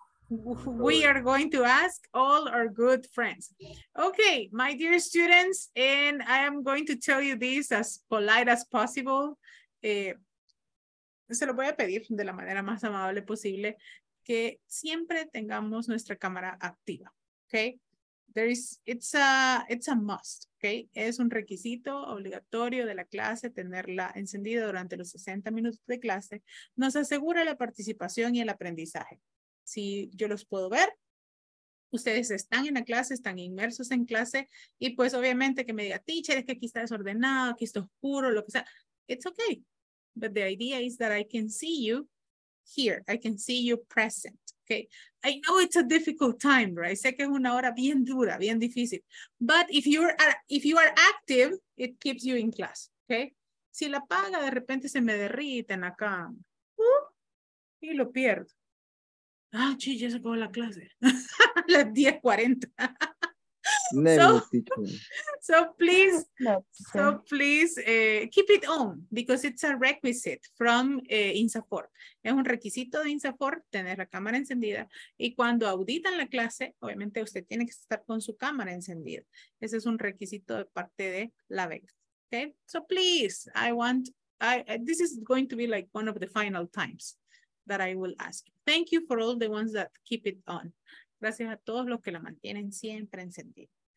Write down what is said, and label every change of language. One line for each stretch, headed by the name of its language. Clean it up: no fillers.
English: We are going to ask all our good friends. Okay, my dear students, and I am going to tell you this as polite as possible.
Spanish: Se lo voy a pedir de la manera más amable posible que siempre tengamos nuestra cámara activa.
English: Okay, it's a must.
Spanish: Okay, es un requisito obligatorio de la clase tenerla encendida durante los 60 minutos de clase. Nos asegura la participación y el aprendizaje. Si yo los puedo ver, ustedes están en la clase, están inmersos en clase, y pues obviamente que me diga, teacher, es que aquí está desordenado, aquí está oscuro, lo que sea.
English: It's okay. But the idea is that I can see you here. I can see you present. Okay. I know it's a difficult time, right?
Spanish: Sé que es una hora bien dura, bien difícil.
English: But if you are active, it keeps you in class. Okay.
Spanish: Si la paga, de repente se me derrite en acá. Y lo pierdo. Ah, sí, ya se acabó la clase. Las 10:40.
English: So please keep it on because it's a requisite from INSAFOR.
Spanish: Es un requisito de INSAFOR tener la cámara encendida. Y cuando auditan la clase, obviamente usted tiene que estar con su cámara encendida. Ese es un requisito de parte de la BECAS.
English: Okay? So please, this is going to be like one of the final times that I will ask. Thank you for all the ones that keep it on.
Spanish: Gracias a todos los que la mantienen siempre encendida.